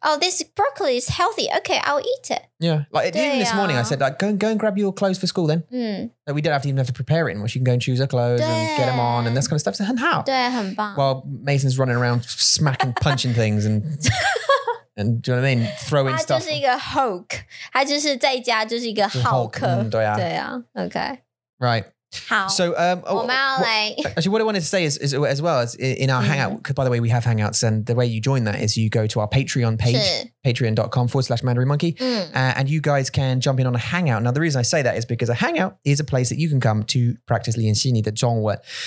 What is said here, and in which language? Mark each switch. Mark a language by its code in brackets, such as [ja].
[en] Oh, this broccoli is healthy. Okay, I'll eat it. Yeah. Like, even this morning, I said, like, go and grab your clothes for school then. Mm. Like, we don't have to prepare it anymore. She can go and choose her clothes and get them on and this kind of stuff. So, [zh] 很好. 对, 很棒. [en] While Mason's running around smacking, punching things and... And do you know what I mean? Throwing stuff. [zh] 他就是一个 Hulk. 他就是在家就是一个浩克。对啊。对啊, [en] okay. Right. [zh] 好 [en] so, actually, what I wanted to say is as well as in our hangout, because by the way, we have hangouts, and the way you join that is you go to our Patreon page, patreon.com/mandarinmonkey, and you guys can jump in on a hangout. Now, the reason I say that is because a hangout is a place that you can come to practice [zh] 练习你的中文.